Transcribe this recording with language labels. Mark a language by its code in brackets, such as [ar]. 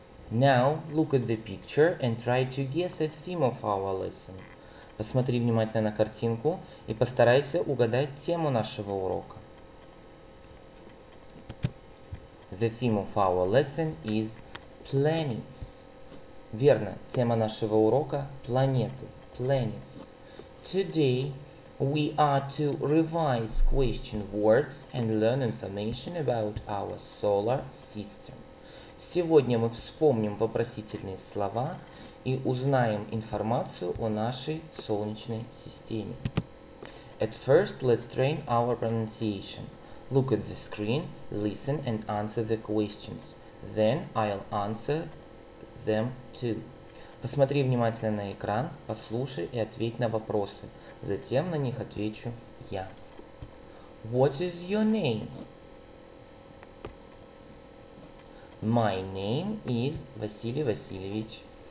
[en] Now, look at the picture and try to guess the theme of our lesson. [ru] Посмотри внимательно на картинку и постарайся угадать тему нашего урока. [en] The theme of our lesson is planets. [ru] Верно, тема нашего урока – планеты, planets. [en] Today, we are to revise question words and learn information about our solar system. [ru] Сегодня мы вспомним вопросительные слова и узнаем информацию о нашей Солнечной системе. [en] At first, let's train our pronunciation. Look at the screen, listen and answer the questions. Then I'll answer them too. [ru] Посмотри внимательно на экран, послушай и ответь на вопросы. Затем на них отвечу я. [en] What is your name? My name is Василий Васильевич.